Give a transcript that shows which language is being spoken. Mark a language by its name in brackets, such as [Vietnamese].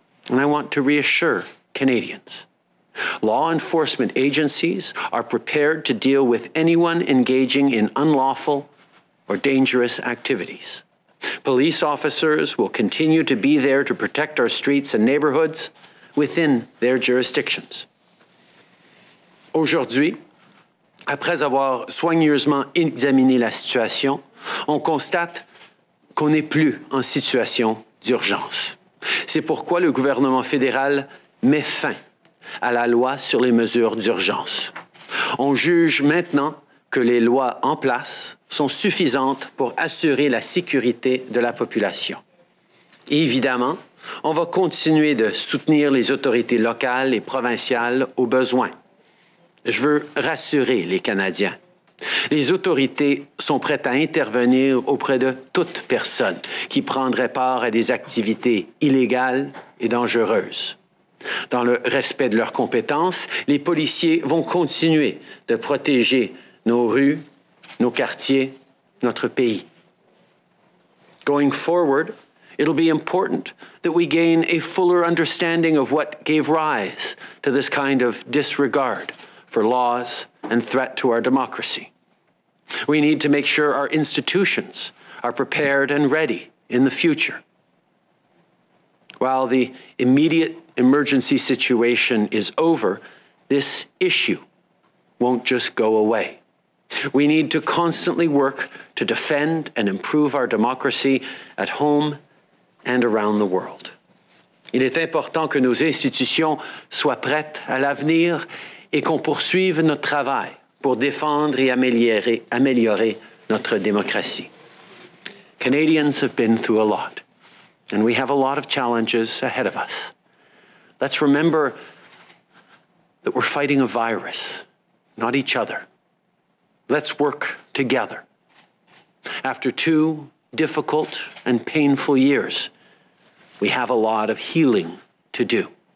[English] And I want to reassure Canadians. Law enforcement agencies are prepared to deal with anyone engaging in unlawful or dangerous activities. Police officers will continue to be there to protect our streets and neighborhoods within their jurisdictions. [French] Aujourd'hui, après avoir soigneusement examiné la situation, on constate qu'on n'est plus en situation d'urgence. C'est pourquoi le gouvernement fédéral met fin à la loi sur les mesures d'urgence. On juge maintenant que les lois en place sont suffisantes pour assurer la sécurité de la population. Évidemment, on va continuer de soutenir les autorités locales et provinciales au besoin. Je veux rassurer les Canadiens. Les autorités sont prêtes à intervenir auprès de toute personne qui prendrait part à des activités illégales et dangereuses. Dans le respect de leurs compétences, les policiers vont continuer de protéger nos rues, nos quartiers, notre pays. [English] Going forward, it'll be important that we gain a fuller understanding of what gave rise to this kind of disregard for laws and threat to our democracy. We need to make sure our institutions are prepared and ready in the future. While the immediate emergency situation is over, this issue won't just go away. We need to constantly work to defend and improve our democracy at home and around the world. [French] Il est important que nos institutions soient prêtes à l'avenir et qu'on poursuive notre travail pour défendre et améliorer notre démocratie. [English] Canadians have been through a lot, and we have a lot of challenges ahead of us. Let's remember that we're fighting a virus, not each other. Let's work together. After two difficult and painful years, we have a lot of healing to do.